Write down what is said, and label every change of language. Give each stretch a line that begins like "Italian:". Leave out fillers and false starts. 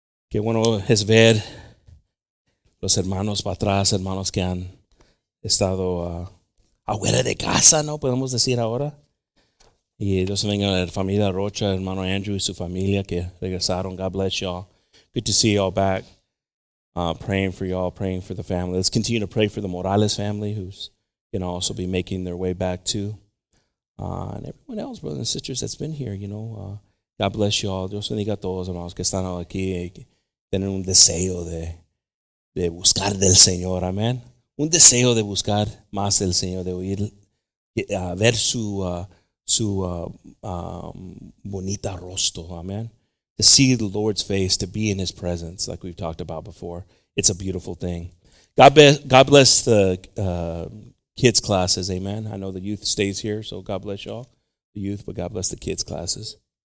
Spanish: Qué bueno es ver los hermanos para atrás, hermanos que han estado afuera de casa, ¿no? Podemos decir ahora. Y Dios venga a la familia Rocha, hermano Andrew y su familia que regresaron.
English: God bless y'all. Good to see y'all back. Praying for y'all, praying for the family. Let's continue to pray for the Morales family who's going to also be making their way back too. And everyone else, brothers and sisters, that's been here, you know. God bless y'all.
Spanish: Dios bendiga a todos, hermanos, que están aquí. Tienen un deseo de buscar del Señor, amen. Un deseo de buscar más del Señor, de oír, ver su bonita rostro, amen.
English: To see the Lord's face, to be in his presence, like we've talked about before. It's a beautiful thing. God bless the kids' classes, amen. I know the youth stays here, so God bless y'all, the youth, but God bless the kids' classes.